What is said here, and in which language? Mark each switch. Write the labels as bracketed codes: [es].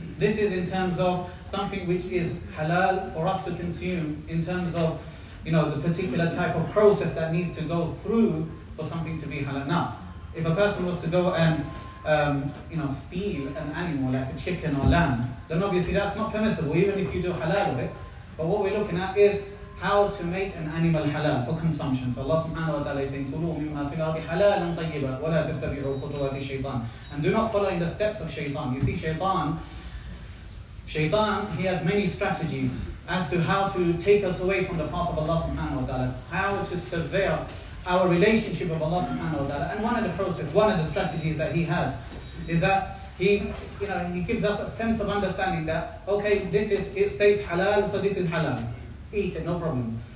[en] This is in terms of something which is halal for us to consume, in terms of, you know, the particular type of process that needs to go through for something to be halal. Now, if a person was to go and steal an animal like a chicken or lamb, then obviously that's not permissible, even if you do halal of it. But what we're looking at is how to make an animal halal for consumption. So Allah subhanahu wa ta'ala is saying, [ar] كُلُوا مِمَّا فِي الْأَرْضِ حَلَالًا طَيِّبًا وَلَا تَتَّبِعُوا خُطُوَاتِ الشَّيْطَانِ. [en] And do not follow in the steps of shaytan. You see, shaytan, he has many strategies as to how to take us away from the path of Allah subhanahu wa ta'ala, how to sever our relationship with Allah subhanahu wa ta'ala. And one of the strategies that he has is that he gives us a sense of understanding that, okay, it states halal, so this is halal. Eat it, no problem.